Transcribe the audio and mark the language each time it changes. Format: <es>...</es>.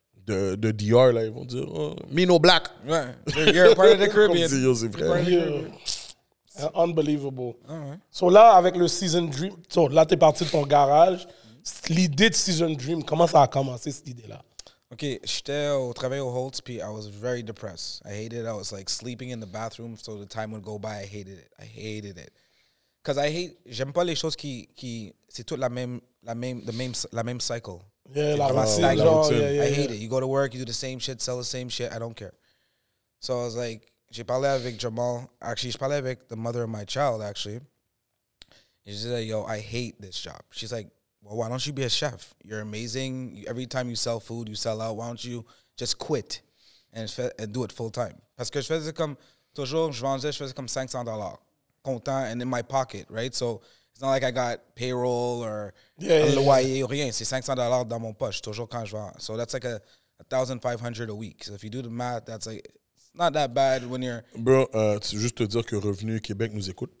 <fr>de DR, là, ils vont dire, oh,</fr> <en>me no black. Ouais, you're part of the Caribbean.</en> <fr>Comme dit, yo, c'est vrai.</fr> <en>Unbelievable. Right.</en> <fr>So là, avec le Season Dream, so, là, t'es parti de ton garage. L'idée de Season Dream, comment ça a commencé, cette idée-là? OK, j'étais au travail au Holtz, puis</fr> <en>I was very depressed. I hated it. I was like sleeping in the bathroom, so the time would go by. I hated it. I hated it. Because I hate,</en> <fr>j'aime pas les choses qui c'est toute la même cycle. Yeah, la routine. Genre,</fr> <en>I hate it. You go to work, you do the same shit, sell the same shit. I don't care. So I was like,</en> <fr>j'ai parlé avec Jamal.</fr> <en>Actually,</en> <fr>j'ai parlé avec</fr> <en>the mother of my child, actually. And she said, yo, I hate this job. She's like, well, why don't you be a chef? You're amazing. Every time you sell food, you sell out. Why don't you just quit and do it full time?</en> <fr>Parce que je faisais comme, toujours, je vendais, je faisais comme $500.</fr> <en>Content and in my pocket, right? So it's not like I got payroll or</en> <fr>loyer, rien. C'est $500 dans mon poche, toujours quand je vends.</fr> <en>So that's like $1,500 a week. So if you do the math, that's like, it's not that bad when you're...</en> <fr>Bro, c'est juste te dire que Revenu Québec nous écoute.</fr>